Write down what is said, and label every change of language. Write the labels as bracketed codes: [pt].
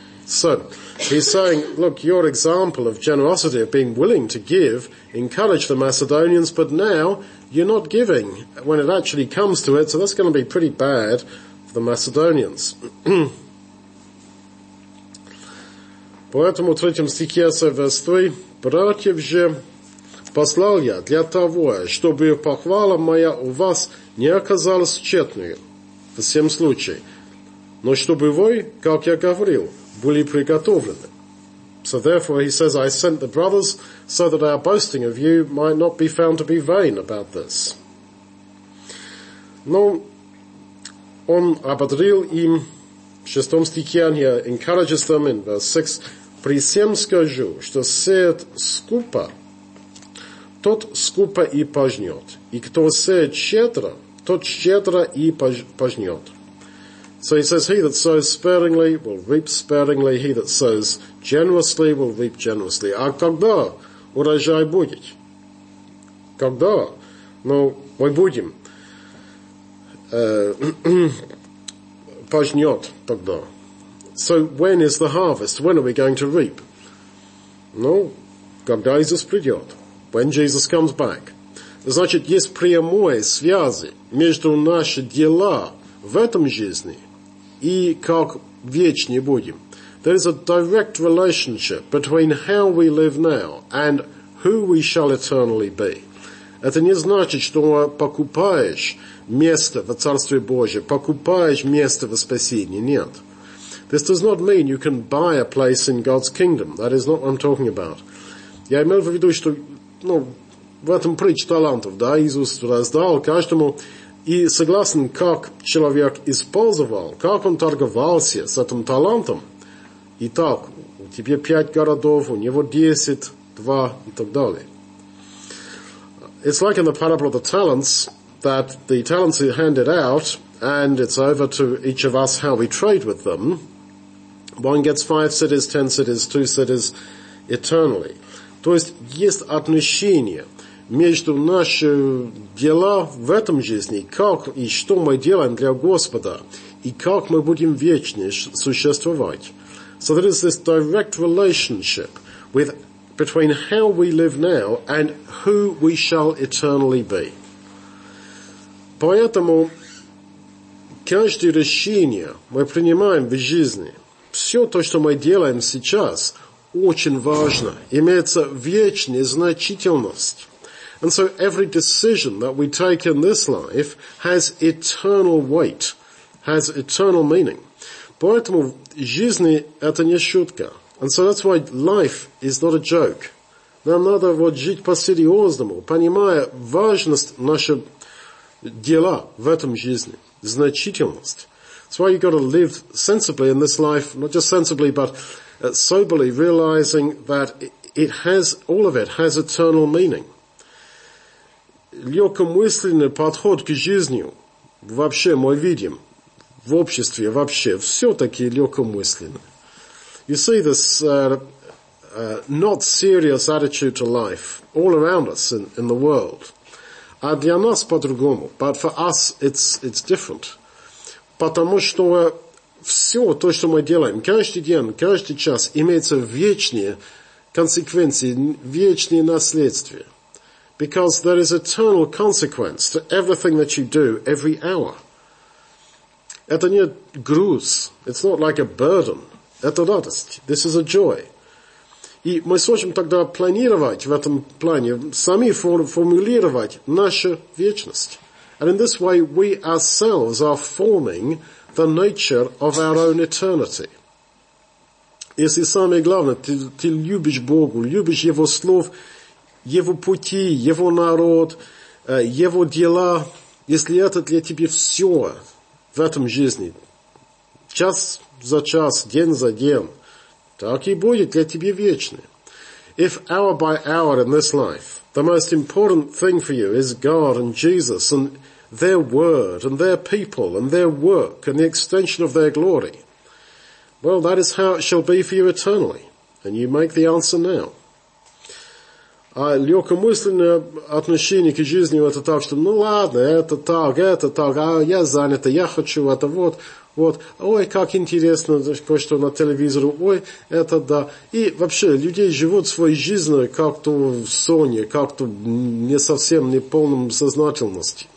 [en] So, he's saying, look, your example of generosity, of being willing to give, encouraged the Macedonians, but now you're not giving when it actually comes to it, so that's going to be pretty bad for the Macedonians. [ru] Поэтому в третьем стихе, [en] so verse 3, [ru] «Братьев же послал я для того, чтобы похвала моя у вас не оказалась тщетной в всем случае, но чтобы вы, как я говорил, были приготовлены». [en] So therefore, he says, I sent the brothers so that our boasting of you might not be found to be vain about this. [ru] Но он ободрил им в шестом стихе, [en] and he encourages them in verse 6, [ru] «При всем скажу, что сеет скупо, тот скупо и пожнет, и кто сеет щедро, тот щедро и пожнет». [en] So he says, he that sows sparingly will reap sparingly, he that sows generously will reap generously. [ru] А когда урожай будет? Когда? Ну, мы будем. Пожнет тогда. [en] So when is the harvest? When are we going to reap? [ru] Ну, когда Иисус придет? [en] When Jesus comes back? [ru] Значит, есть прямые связи между наши дела в этом жизни и как вечнее будем. [en] There is a direct relationship between how we live now and who we shall eternally be. [ru] Это не значит, что покупаешь место во Царстве Божьем, покупаешь место во спасении. Нет. [en] This does not mean you can buy a place in God's kingdom. That is not what I'm talking about. [ru] Я имел в виду, что ну, в этом притч талантов, да, Иисус раздал каждому, и согласен, как человек использовал, как он торговался с этим талантом. Итак, у тебя 5 городов, у него 10, 2 и так далее. [en] It's like in the parable of the talents, that the talents are handed out, and it's over to each of us how we trade with them. One gets 5 cities, 10 cities, 2 cities eternally. [ru] То есть есть отношение между наши дела в этом жизни, как и что мы делаем для Господа, и как мы будем вечно существовать. [en] So there is this direct relationship with between how we live now and who we shall eternally be. [ru] Поэтому каждое решение мы принимаем в жизни, все то, что мы делаем сейчас, очень важно, имеется вечная значительность. [en] And so every decision that we take in this life has eternal weight, has eternal meaning. [ru] Поэтому жизнь – это не шутка. [en] And so that's why life is not a joke. [ru] Нам надо вот жить по-серьезному, понимая важность наших дел в этом жизни, значительность. [en] That's why you've got to live sensibly in this life, not just sensibly, but soberly, realizing that it has, all of it has eternal meaning. [ru] Легкомысленный подход к жизни вообще мы видим. В обществе вообще все-таки легкомысленно. [en] You see this not serious attitude to life all around us in the world. [ru] А для нас по-другому. [en] But for us it's different. [ru] Потому что все то, что мы делаем, каждый день, каждый час, имеется вечные консеквенции, вечные наследствия. [en] Because there is eternal consequence to everything that you do every hour. [ru] Это не груз. [en] It's not like a burden. [ru] Это радость. [en] This is a joy. [ru] И мы сможем тогда планировать в этом плане, сами формулировать нашу вечность. [en] And in this way, we ourselves are forming the nature of our own eternity. [ru] Если самое главное, ты любишь Бога, любишь Его слов, Его пути, Его народ, Его дела, если это для тебя все, в этом жизни, час за час, день за день, так и будет для тебя вечно. [en] If hour by hour in this life, the most important thing for you is God and Jesus and their word and their people and their work and the extension of their glory, well, that is how it shall be for you eternally. And you make the answer now. [ru] Легкомысленное отношение к жизни это так, что ну ладно, это так, а я занят, я хочу это, вот, вот, ой, как интересно, кое-что на телевизору, ой, это да. И вообще, люди живут своей жизнью как-то в соне, как-то не совсем не полном сознательности.